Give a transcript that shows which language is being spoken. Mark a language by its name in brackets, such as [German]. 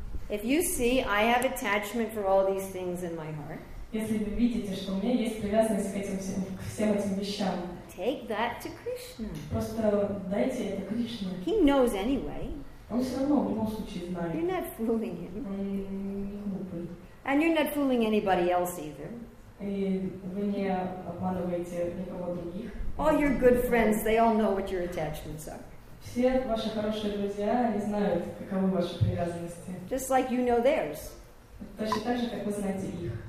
[English] If you see, I have attachment for all these things in my heart. [Russian] Если вы видите, что у меня есть привязанность к этим всем этим вещам, [English] take that to Krishna. [Russian] Просто дайте это Кришне. [English] He knows anyway. [Russian] Он все равно в любом случае знает. [English] You're not fooling him. [Russian] Он не глупый. [English] And you're not fooling anybody else either. [Russian] И вы не обманываете никого других. [English] All your good friends, they all know what your attachments are. [Russian] Все ваши хорошие друзья, они знают, каковы ваши привязанности. [English] Just like you know theirs. [Russian] Точно так же, как вы знаете их.